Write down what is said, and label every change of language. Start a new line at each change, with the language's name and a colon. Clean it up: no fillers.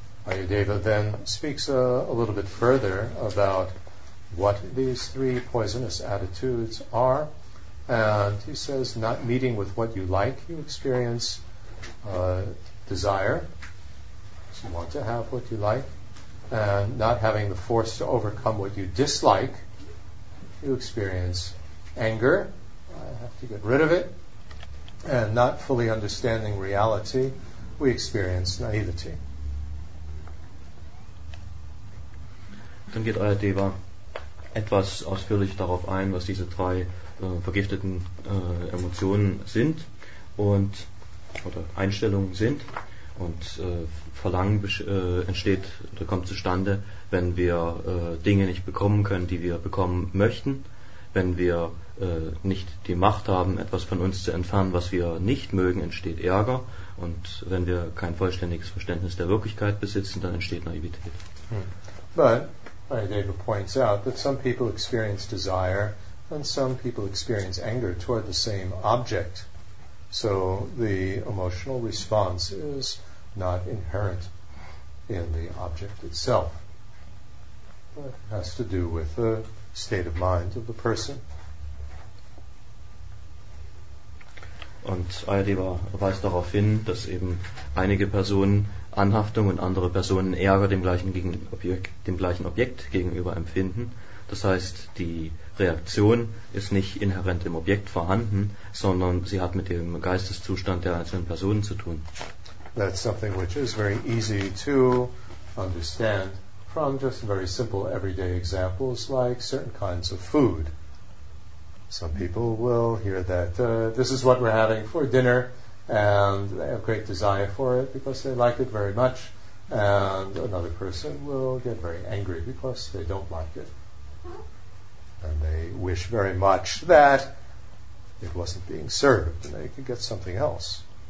English: Ayurveda then speaks a little bit further about what these three poisonous attitudes are, and he says, not meeting with what you like, you experience desire, so you want to have what you like, and not having the force to overcome what you dislike, you experience anger, I have to get rid of it, and not fully understanding reality, we experience naivety.
German: Dann geht euer Deva etwas ausführlich darauf ein, was diese drei vergifteten Emotionen sind und oder Einstellungen sind, und Verlangen entsteht oder kommt zustande, wenn wir Dinge nicht bekommen können, die wir bekommen möchten, wenn wir nicht die Macht haben, etwas von uns zu entfernen, was wir nicht mögen, entsteht Ärger, und wenn wir kein vollständiges Verständnis der Wirklichkeit besitzen, dann entsteht Naivität.
English: But Ayurveda points out that some people experience desire and some people experience anger toward the same object. So the emotional response is not inherent in the object itself. It has to do with the state of mind of the person.
German: Und Ayurveda weist darauf hin, dass eben einige Personen Anhaftung und andere Personen Ärger dem gleichen Objekt gegenüber empfinden. Das heißt, die Reaktion ist nicht inhärent im Objekt vorhanden, sondern sie hat mit dem Geisteszustand der einzelnen Personen zu tun.
English: That's something which is very easy to understand from just very simple everyday examples like certain kinds of food. Some people will hear that this is what we're having for dinner, and they have great desire for it because they like it very much, and another person will get very angry because they don't like it, and they wish very much that it wasn't being served and they could get something else.